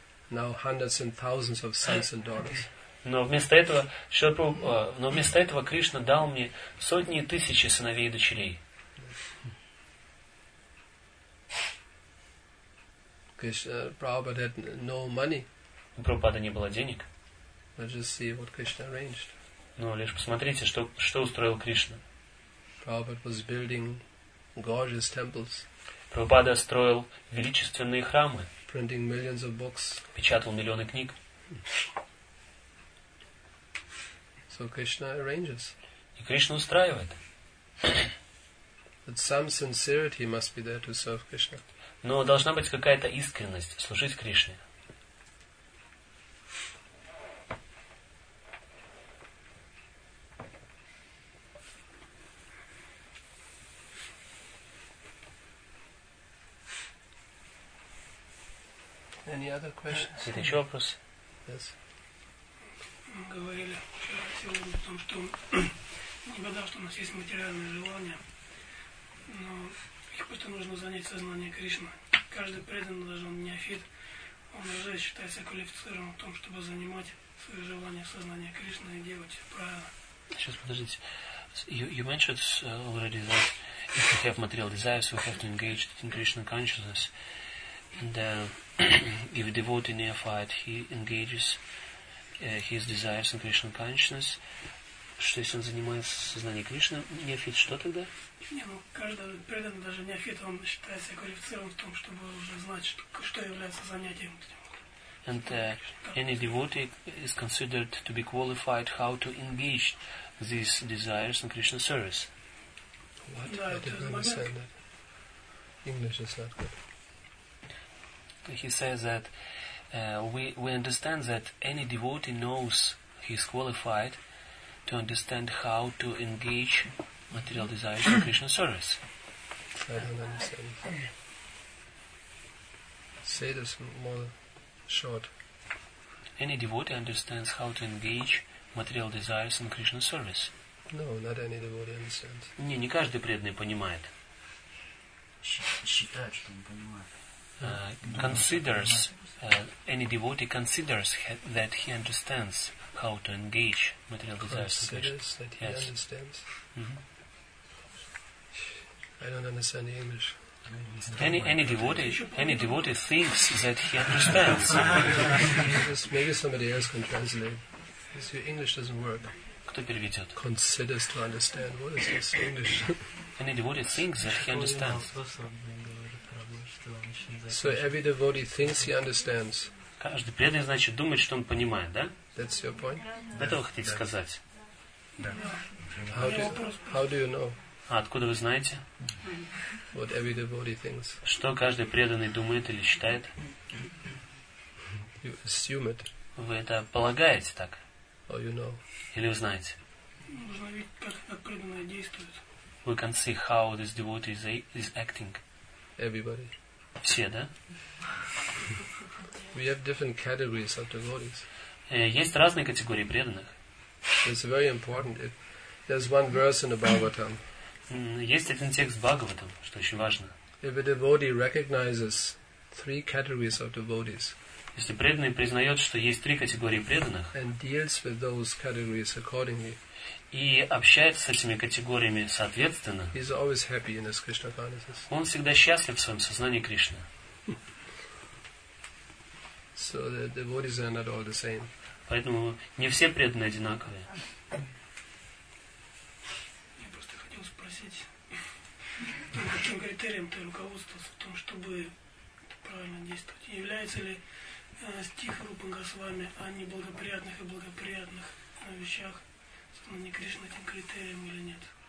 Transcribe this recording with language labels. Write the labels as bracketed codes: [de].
[en] Now hundreds and thousands of sons and daughters. [ru] Но вместо этого Кришна дал мне сотни и тысячи сыновей и дочерей. [en] Prabhupada had no money. [ru] У Прабхупады не было денег. [en] But just see what Krishna arranged. [ru] Но лишь посмотрите, что устроил Кришна. [en] Prabhupada was building gorgeous temples. [ru] Прабхупада строил величественные храмы. [en] Printing millions of books. [ru] Печатал миллионы книг. [en] So Krishna arranges. [ru] И Кришна устраивает. [en] But some sincerity must be there to serve Krishna. [ru] Но должна быть какая-то искренность служить Кришне. [en] Any other questions? [ru] Это еще вопрос? [en] Yes. [ru] Мы говорили вчера сегодня о том, что непогода, что у нас есть материальные желания, но их просто нужно занять сознание Кришны. Каждый преданный должен неофит, он уже считается квалифицированным в том, чтобы занимать свои желания в сознании Кришны и делать их правильно. Сейчас подождите. [en] You mentioned already that if you have material desires, you have to engage in Krishna consciousness. And if a devotee neophyte, he engages his desires in Krishna consciousness. [ru] Что если он занимается сознанием Кришны, неофит, что тогда? Не, ну, каждый преданный, даже неофит, он считается квалифицированным в том, чтобы уже знать, что является занятием. [en] And any devotee is considered to be qualified how to engage these desires in Krishna service. What? I didn't understand that. English is not good. He says that we understand that any devotee knows he's qualified to understand how to engage material desires in Krishna service. I don't understand. Say this more short. Any devotee understands how to engage material desires in Krishna service. No, not any devotee understands. [ru] Не каждый преданный понимает. Считает, что он понимает. [en] Considers any devotee considers that he understands how to engage material desires. Considers that he understands. Mm-hmm. I don't understand the English. Any devotee thinks that he understands. maybe somebody else can translate. Your English doesn't work. [ru] Кто переведет? [en] Considers to understand. What is this English? any devotee thinks that he understands. So every devotee thinks he understands. [ru] Каждый преданный, значит, думает, что он понимает, да? [en] That's your point? [ru] Это вы хотите сказать? Да. [en] How do you know? [ru] А откуда вы знаете? [en] What every devotee thinks. [ru] Что каждый преданный думает или считает? [en] You assume it. [ru] Вы это полагаете так? [en] Or you know. [ru] Или вы знаете? Нужно видеть, как преданные действуют. [en] We can see how this devotee is acting. Everybody. [ru] Все, да? [en] We have different categories of devotees. [ru] Есть разные категории преданных. [en] It's very important. There's one verse in the Bhagavatam. [ru] Есть один текст Бхагаватам, что очень важно. [en] If a devotee recognizes three categories of devotees. [ru] Если преданный признает, что есть три категории преданных, [en] and deals with those categories accordingly, [ru] и общается с этими категориями соответственно, [en] he's always happy in his Krishna consciousness. [ru] Он всегда счастлив в своем сознании Кришны. [en] So the devotees are not all the same. [ru] Поэтому не все преданные одинаковые. Я просто хотел спросить, каким критерием ты руководствовался в том, чтобы правильно действовать? Является ли стих Рупы Госвами о неблагоприятных и благоприятных вещах сознания Кришны этим критерием или нет?